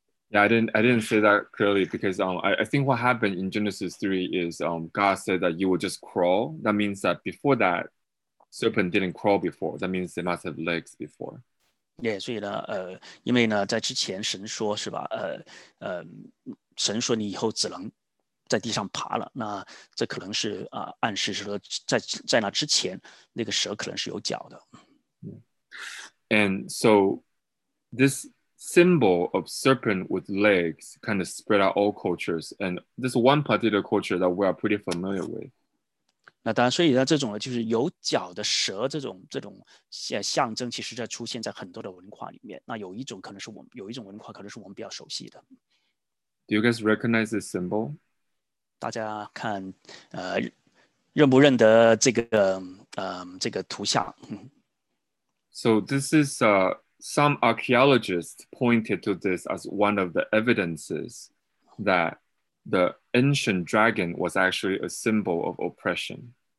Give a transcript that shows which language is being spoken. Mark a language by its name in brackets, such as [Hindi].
[English] Yeah, I didn't say that clearly because I think what happened in Genesis 3 is God said that you will just crawl. That means that before that, serpent didn't crawl before. That means they must have legs before. Yeah, [Chinese] 所以呢，因为呢，在之前神说是吧？神说你以后只能在地上爬了。那这可能是暗示说在那之前，那个蛇可能是有脚的。 [English] Yeah. And so this symbol of serpent with legs kind of spread out all cultures, and this one particular culture that we are pretty familiar with. [Chinese] 那当然，所以呢，这种呢就是有脚的蛇这种象征，其实在出现在很多的文化里面。那有一种文化可能是我们比较熟悉的。 [English] Do you guys recognize this symbol? [Chinese] 大家看，认不认得这个图像？ [English] So this is some archaeologists pointed to this as one of the evidences that the ancient dragon was actually a symbol of oppression.